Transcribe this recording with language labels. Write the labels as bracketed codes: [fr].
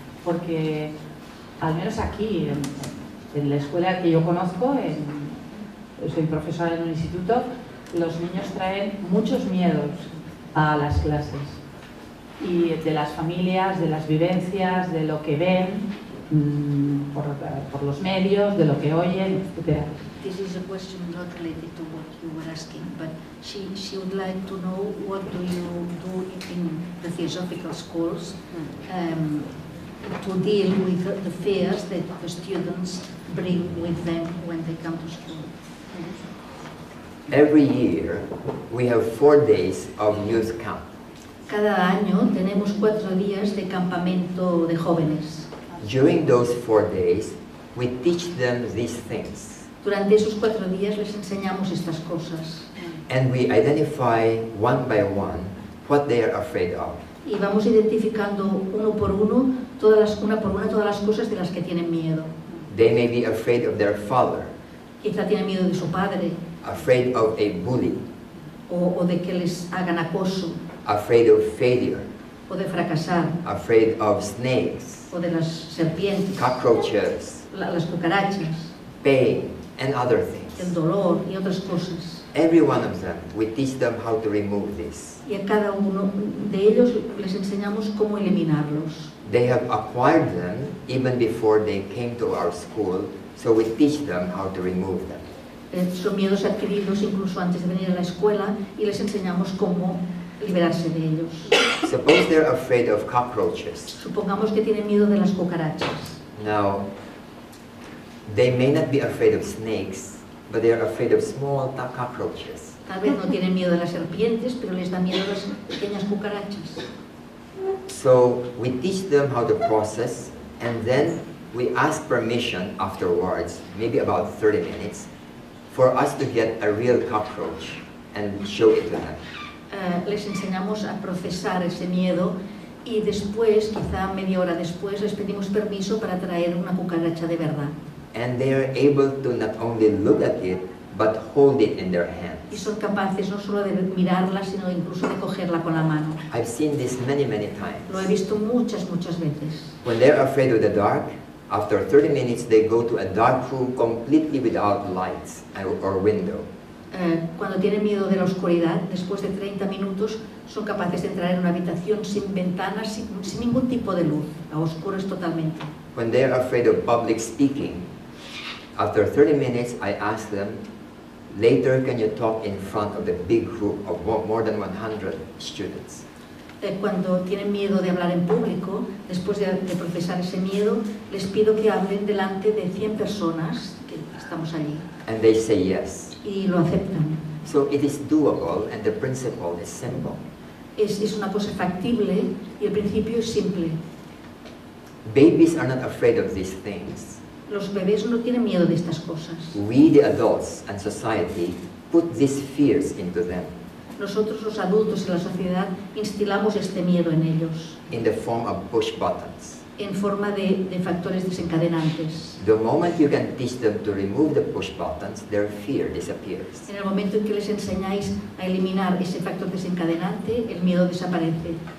[es] Porque al menos aquí, en la escuela que yo conozco, soy profesora en un instituto, los niños traen muchos miedos a las clases. y de las familias, de las vivencias, de lo que ven por los medios, de lo que oyen, etc. [en] This is a question not related to what you were asking, but she would like to know what do you do in the theosophical schools to deal with the fears that the students bring with them when they come to school. Every year, we have 4 days of youth camp. [es] Cada año tenemos 4 días de campamento de jóvenes. [en] During those 4 days, we teach them these things. [es] Durante esos 4 días les enseñamos estas cosas. [en] And we identify one by one what they are afraid of. [es] Y vamos identificando una por una todas las cosas de las que tienen miedo. [en] They may be afraid of their father. [es] Quizá tienen miedo de su padre. [en] Afraid of a bully. [es] O de que les hagan acoso. [en] Afraid of failure. [es] O de fracasar. [en] Afraid of snakes. [es] O de las serpientes. [en] Cockroaches. [es] Las cucarachas. [en] Pain and other things. [es] El dolor y otras cosas. [en] Every one of them, we teach them how to remove this. [es] Y a cada uno de ellos les enseñamos cómo eliminarlos. [en] They have acquired them even before they came to our school, so we teach them how to remove them. [es] Son miedos adquiridos incluso antes de venir a la escuela y les enseñamos cómo liberarse de ellos. [en] Suppose they're afraid of cockroaches. [es] Supongamos que tienen miedo de las cucarachas. [en] Now, they may not be afraid of snakes, but they are afraid of small cockroaches. [es] Tal vez no tienen miedo de las serpientes, pero les da miedo las pequeñas cucarachas. [en] So we teach them how to process, and then we ask permission afterwards, maybe about 30 minutes, for us to get a real cockroach and show it to them. [es] Les enseñamos a procesar ese miedo y después, quizá media hora después, les pedimos permiso para traer una cucaracha de verdad. [en] And they are able to not only look at it, but hold it in their hands. [es] Y son capaces no solo de mirarla, sino incluso de cogerla con la mano. [en] I've seen this many, many times. [es] Lo he visto muchas, muchas veces. [en] When they're afraid of the dark, after 30 minutes they go to a dark room completely without lights or window. [es] Cuando tienen miedo de la oscuridad, después de 30 minutos son capaces de entrar en una habitación sin ventanas, sin ningún tipo de luz, a oscuras totalmente. [en] When they are afraid of public speaking, after 30 minutes I ask them, later can you talk in front of the big group of more than 100 students? [es] Cuando tienen miedo de hablar en público, después de procesar ese miedo, les pido que hablen delante de 100 personas que estamos allí. [en] And they say yes. [es] Y lo aceptan. [en] So it is doable and the principle is simple. [es] Es una cosa factible y el principio es simple. [en] Babies are not afraid of these things. [es] Los bebés no tienen miedo de estas cosas. [en] We, the adults and society, put these fears into them. [es] Nosotros, los adultos y la sociedad, instilamos este miedo en ellos. [en] In the form of push buttons. [es] En forma de factores desencadenantes. [en] The moment you can teach them to remove the push buttons, their fear disappears. [es] En el momento en que les enseñáis a eliminar ese factor desencadenante, el miedo desaparece.